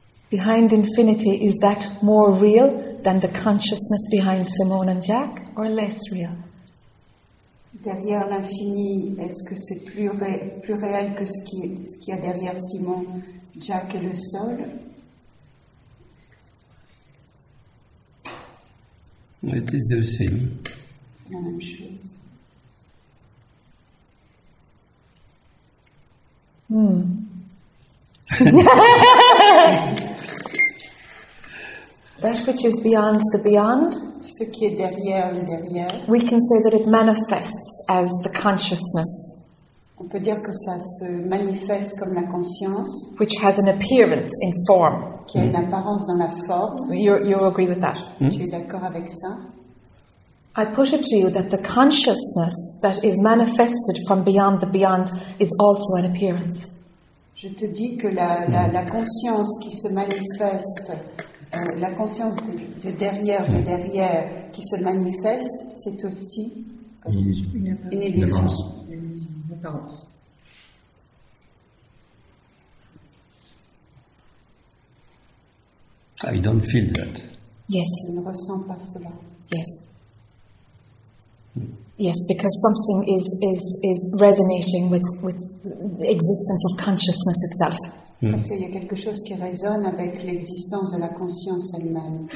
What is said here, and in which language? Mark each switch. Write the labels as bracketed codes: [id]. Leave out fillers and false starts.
[en] Behind infinity, is that more real than the consciousness behind Simone and Jack, or less real? [fr] Derrière l'infini, est-ce que c'est plus réel que ce qu'il y a derrière Simone, Jack et le sol? [en] It is the same. [fr] La même chose. [en] That which is beyond the beyond, [fr] ce qui est derrière, [en] we can say that it manifests as the consciousness. [fr] On peut dire que ça se manifeste comme la conscience, [en] which has an appearance in form. [fr] Qui a une apparence dans la forme. [en] You agree with that? [fr] Tu es d'accord avec ça? [en] I put it to you that the consciousness that is manifested from beyond the beyond is also an appearance. [fr] Je te dis que la conscience qui se manifeste, la conscience de derrière, qui se manifeste, c'est aussi une illusion. Une apparence. [en] I don't feel that. Yes. [fr] Je ne ressens pas cela. [en] Yes. Yes, because something is resonating with the existence of consciousness itself. [fr] Parce qu'il y a quelque chose qui résonne avec l'existence de la conscience elle-même.